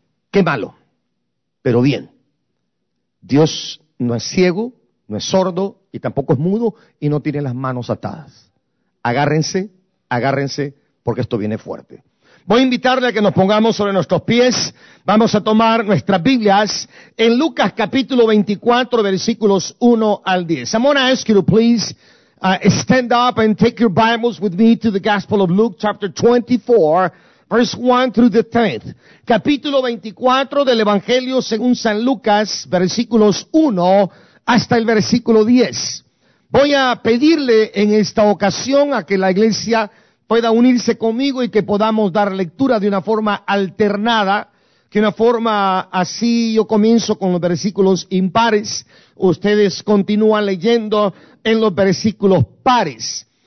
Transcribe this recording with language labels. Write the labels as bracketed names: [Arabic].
[Spanish] Qué malo, pero bien. Dios no es ciego, no es sordo y tampoco es mudo y no tiene las manos atadas. Agárrense, agárrense, porque esto viene fuerte. Voy a invitarle a que nos pongamos sobre nuestros pies. Vamos a tomar nuestras Biblias en Lucas capítulo 24, versículos 1 al 10. [English] I'm going to ask you to please stand up and take your Bibles with me to the Gospel of Luke chapter 24, verse 1 through the 10th. [Spanish] Capítulo 24 del Evangelio según San Lucas, versículos 1 hasta el versículo 10. Voy a pedirle en esta ocasión a que la iglesia pueda unirse conmigo y que podamos dar lectura de una forma alternada, que una forma así yo comienzo con los versículos impares, ustedes continúan leyendo en los versículos pares.